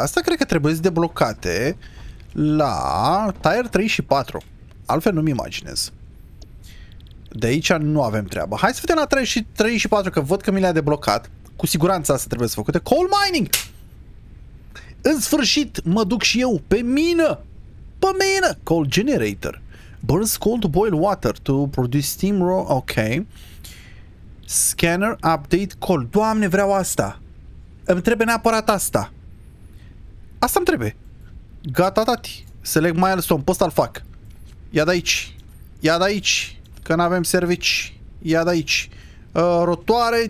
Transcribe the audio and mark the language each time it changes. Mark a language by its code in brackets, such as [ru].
[ro] Asta cred că trebuie să deblocate la tier 3 și 4. Altfel nu-mi imaginez. De aici nu avem treabă. Hai să vedem la 3 și, 3 și 4 că văd că mi le-a deblocat. Cu siguranță asta trebuie să facă. Coal mining! În sfârșit mă duc și eu pe mină! Pe mine! Coal generator. [en] Burns coal to boil water to produce steam raw. Ok. Scanner update coal. [ro] Doamne, vreau asta. Îmi trebuie neapărat asta. Asta îmi trebuie. Gata, tati. Select milestone. Pe ăsta-l fac. Ia de aici. Ia de aici. Că n-avem servici. Ia de aici. Rotoare.